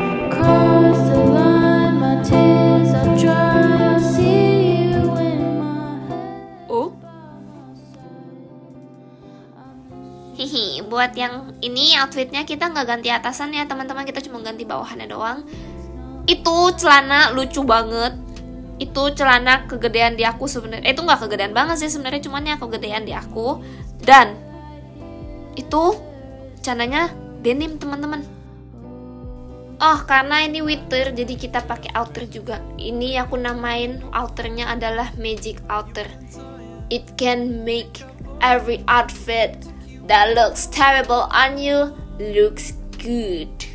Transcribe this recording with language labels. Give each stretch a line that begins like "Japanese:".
English: Cross the line, my tears are dry, I'll see you in my head.
Indonesian: Hihi, buat yang ini outfitnya kita nggak ganti atasan ya teman-teman, kita cuma ganti bawahannya doang. Itu celana lucu banget. Itu celana kegedean di aku sebenarnya. Itu nggak kegedean banget sih sebenarnya, cuman ya kegedean di aku. Dan itu celananya denim teman-teman. Oh, karena ini winter jadi kita pakai outer juga. Ini aku namain outernya adalah magic outer.
English: It can make every outfit that looks terrible on you looks good.